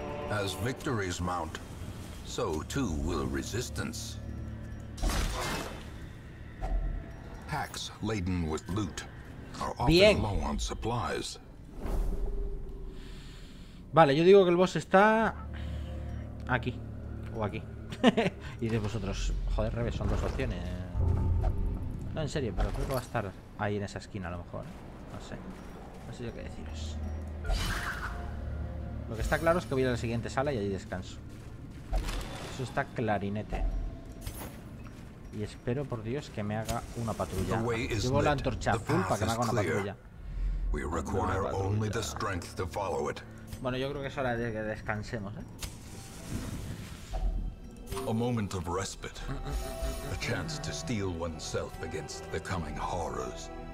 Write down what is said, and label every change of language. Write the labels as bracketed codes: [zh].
[en] As victories mount, so too will resistance. packs laden with loot are often [es] Bien. [en] Low on supplies. [es] Vale, yo digo que el boss está aquí o aquí. Y de vosotros, joder, revés, son dos opciones. No, en serio, pero creo que va a estar ahí en esa esquina a lo mejor. No sé. No sé yo qué deciros. Lo que está claro es que voy a la siguiente sala y allí descanso. Eso está clarinete. Y espero por Dios que me haga una patrulla. Llevo la antorcha azul para que me haga una patrulla. [en] We require only the strength to follow it. [es] Bueno, yo creo que es hora de que descansemos, [en] A moment of respite. A chance to steel oneself against the coming horrors.